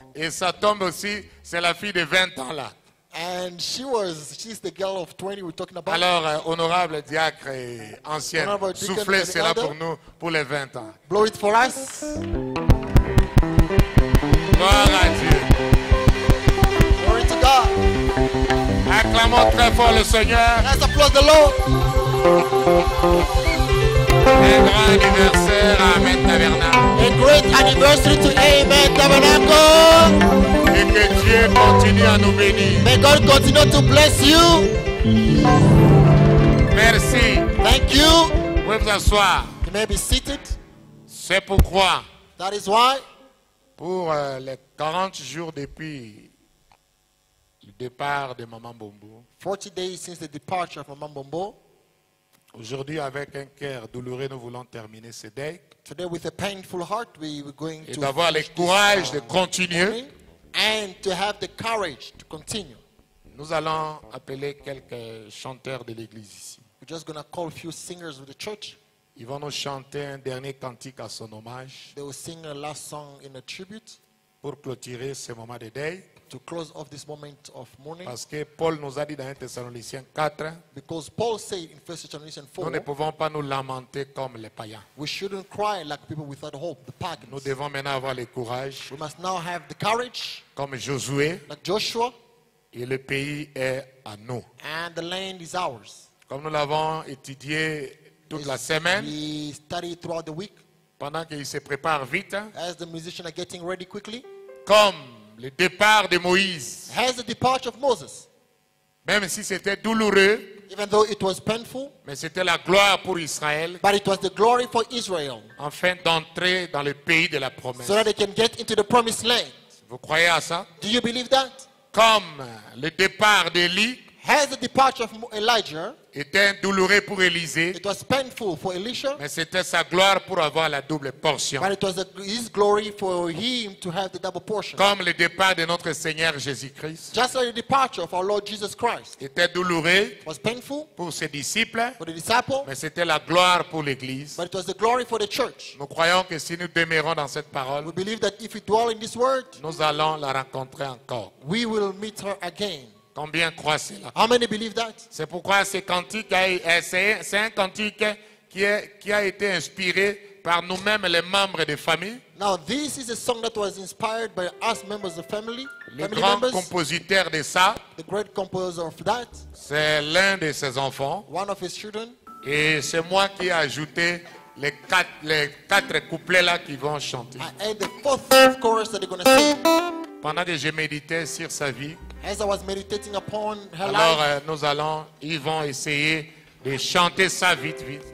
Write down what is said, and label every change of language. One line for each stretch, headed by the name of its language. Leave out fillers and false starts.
French: Et ça tombe aussi, c'est la fille de 20 ans là.
English: And she's the girl of 20 we're talking about.
French: Alors, honorable diacre et ancienne, soufflez cela pour nous, pour les 20 ans.
English: Blow it for us.
French: Gloire à Dieu.
English: Glory to God.
French: Acclamons très fort le Seigneur.
English: Let's applaud the Lord.
French: Un grand anniversaire à Amen Tabernacle.
English: A great anniversary to Amen Tabernacle.
French: Et que Dieu continue à nous bénir.
English: May God continue to bless you.
French: Merci.
English: Thank you.
French: Vous pouvez vous asseoir.
English: You may be seated.
French: C'est pourquoi.
English: That is why.
French: Pour les 40 jours depuis le départ de Maman Bombo.
English: 40 days since the departure of Maman Bombo.
French: Aujourd'hui, avec un cœur douloureux, nous voulons terminer ce day.
English: Today, with a painful heart, we are going
French: et d'avoir le courage de continuer.
English: And to have the courage to continue.
French: Nous allons appeler quelques chanteurs de l'église ici.
English: We're just going to call a few singers of the church.
French: Ils vont nous chanter un dernier cantique à son hommage.
English: They will sing a last song in a tribute.
French: Pour clôturer ce moment de deuil.
English: To close off this moment of mourning.
French: Parce que Paul nous a dit dans 1 Thessaloniciens 4.
English: Because Paul said in 1 Thessaloniciens 4.
French: Nous ne pouvons pas nous lamenter comme les païens.
English: We shouldn't cry like people without hope, the pagans.
French: Nous devons maintenant avoir le courage.
English: We must now have the courage.
French: Comme Josué.
English: Like Joshua.
French: Et le pays est à nous.
English: And the land is ours.
French: Comme nous l'avons étudié. Toute la semaine,
English: we study throughout the week,
French: pendant qu'il se prépare vite,
English: as the musicians are getting ready quickly,
French: comme le départ de Moïse,
English: as the departure of Moses,
French: même si c'était douloureux,
English: even though it was painful,
French: mais c'était la gloire pour Israël,
English: but it was the glory for Israel,
French: afin d'entrer dans le pays de la promesse,
English: so that they can get into the promised land.
French: Vous croyez à ça?
English: Do you believe that?
French: Comme le départ d'Élie,
English: as the departure of Elijah.
French: Était douloureux pour Élisée.
English: It was painful for Elisha.
French: Mais c'était sa gloire pour avoir la double portion.
English: But it was his glory for him to have the double portion.
French: Comme le départ de notre Seigneur Jésus-Christ.
English: Just like the departure of our Lord Jesus Christ.
French: Était douloureux.
English: It was painful.
French: Pour ses disciples.
English: For the disciples.
French: Mais c'était la gloire pour l'Église.
English: But it was the glory for the church.
French: Nous croyons que si nous demeurons dans cette parole.
English: We believe that if we dwell in this word.
French: Nous allons la rencontrer encore.
English: We will meet her again.
French: Combien croient cela?
English: How many believe that?
French: C'est pourquoi ce cantique c'est un cantique qui a été inspiré par nous-mêmes les membres de famille.
English: Now this is a song that was inspired by us members of family.
French: Le grand compositeur de ça.
English: The great composer of that.
French: C'est l'un de ses enfants.
English: One of his children.
French: Et c'est moi qui ai ajouté les quatre couplets là qui vont chanter.
English: And the fourth chorus that they're going to sing.
French: Pendant que je méditais sur sa vie.
English: As I was meditating upon her
French: alors,
English: life.
French: Nous allons, ils vont essayer de chanter ça vite, vite.